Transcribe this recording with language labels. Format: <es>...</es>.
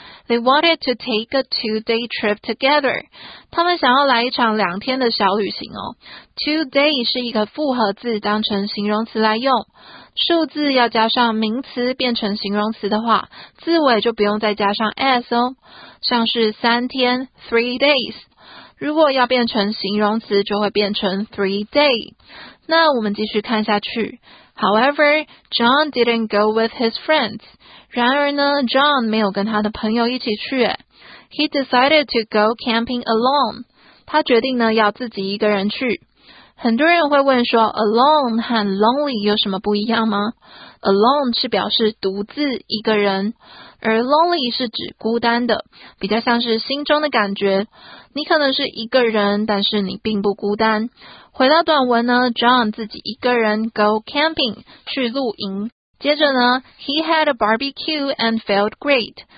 <en>They wanted to take a two-day trip together.</en> <zh>他们想要来一场两天的小旅行哦。Two-day 是一个复合字当成形容词来用。数字要加上名词变成形容词的话，字尾就不用再加上 s 哦。像是三天 ,three days。如果要变成形容词就会变成 three day。那我们继续看下去。</zh> <en>However, John didn't go with his friends.</en> <zh>然而呢 ,John 没有跟他的朋友一起去。</zh> <en>He decided to go camping alone.</en> <zh>他决定呢要自己一个人去。很多人会问说 alone 和 lonely 有什么不一样吗 ?alone 是表示独自一个人。而 lonely 是指孤单的，比较像是心中的感觉。你可能是一个人，但是你并不孤单。回到短文呢 ，John 自己一个人</zh> <en>go camping</en> <zh>去露营。接着呢</zh> <en>，He had a barbecue and felt great。</en>